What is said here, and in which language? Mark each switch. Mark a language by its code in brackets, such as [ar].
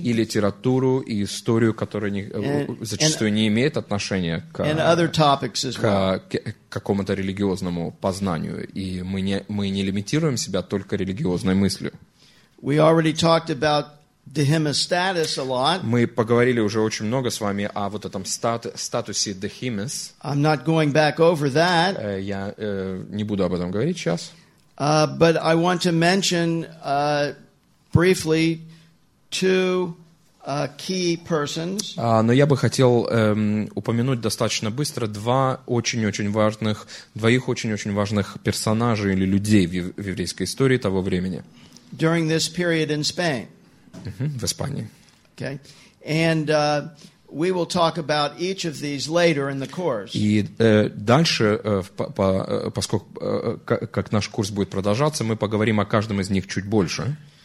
[ru] И литературу, и историю, которая зачастую не имеет отношения [en] and other topics as well. [ru] К какому-то религиозному познанию. И мы не лимитируем себя только религиозной мыслью. [en] We already talked about Dehimmah status a lot. [ru] Мы поговорили уже очень много с вами о вот этом статусе Dehimmah. [en] I'm not going back over that. [ru] Я не буду об этом говорить сейчас. [en] But I want to mention briefly two key persons. [ru] Но я бы хотел упомянуть достаточно быстро два очень-очень важных, двоих очень-очень важных персонажей или людей в еврейской истории того времени. [en] During this period in Spain. [ru] В Испании. [en] Okay. And we will talk about each of these later in the course. [ru] И дальше, поскольку как наш курс будет продолжаться, мы поговорим о каждом из них чуть больше.